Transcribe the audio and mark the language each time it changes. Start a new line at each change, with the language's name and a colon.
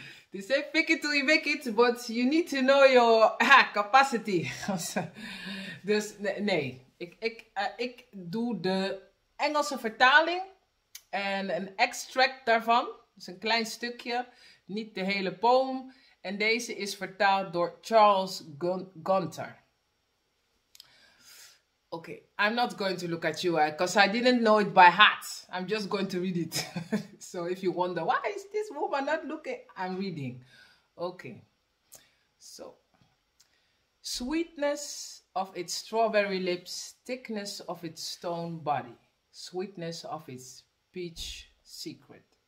English: They say fake it till you make it, but you need to know your capacity.
Dutch: Dus nee, ik doe de Engelse vertaling en een extract daarvan. Dus een klein stukje, niet de hele poem. En deze is vertaald door Charles Gunter.
English: Oké, okay. I'm not going to look at you, because I didn't know it by heart. I'm just going to read it. So if you wonder, why is this woman not looking? I'm reading. Okay. So, sweetness of its strawberry lips, thickness of its stone body, sweetness of its peach secret.